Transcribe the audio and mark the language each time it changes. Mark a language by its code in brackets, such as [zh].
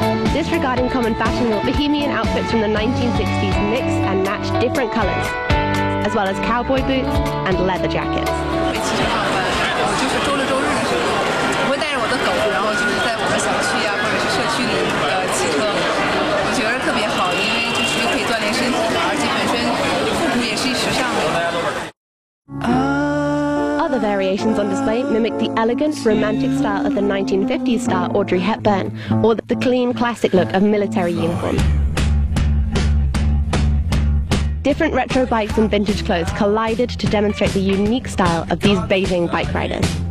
[en] Disregarding common fashion, the bohemian outfits from the 1960s mix and match different colors, as well as cowboy boots and leather jackets. [zh] 我骑车上班，我就是周六周日的时候，我会带着我的狗，然后就是在我们小区啊，或者是社区里骑车。我觉得特别好，因为就是又可以锻炼身体，而且本身复古也是时尚的。 [en] Other variations on display mimic the elegant, romantic style of the 1950s star Audrey Hepburn, or the clean, classic look of military uniforms. Different retro bikes and vintage clothes collided to demonstrate the unique style of these Beijing bike riders.